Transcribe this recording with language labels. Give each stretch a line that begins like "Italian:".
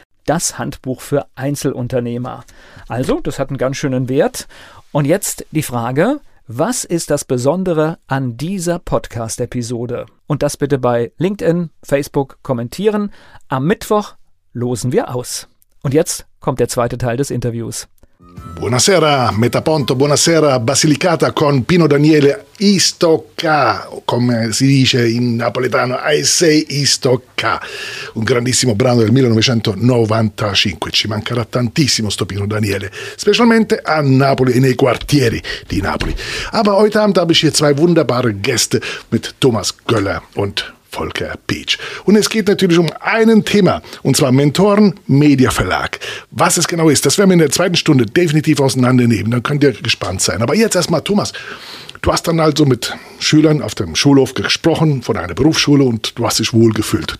German: Das Handbuch für Einzelunternehmer. Also, das hat einen ganz schönen Wert. Und jetzt die Frage, was ist das Besondere an dieser Podcast-Episode? Und das bitte bei LinkedIn, Facebook kommentieren. Am Mittwoch losen wir aus. Und jetzt kommt der zweite Teil des Interviews.
Italian: Buonasera, Metaponto, buonasera, Basilicata con Pino Daniele Istocca, come si dice in napoletano,
English: I say Istocca,
Italian: un grandissimo brano del 1995, ci mancherà tantissimo sto Pino Daniele, specialmente a Napoli e nei quartieri di Napoli.
German: Aber heute Abend habe ich hier 2 wunderbare Gäste mit Thomas Göller und Volker Peach. Und es geht natürlich um einen Thema, und zwar Mentoren Media Verlag. Was es genau ist, das werden wir in der zweiten Stunde definitiv auseinandernehmen, dann könnt ihr gespannt sein. Aber jetzt erstmal, Thomas, du hast dann also mit Schülern auf dem Schulhof gesprochen, von einer Berufsschule, und du hast dich wohl gefühlt.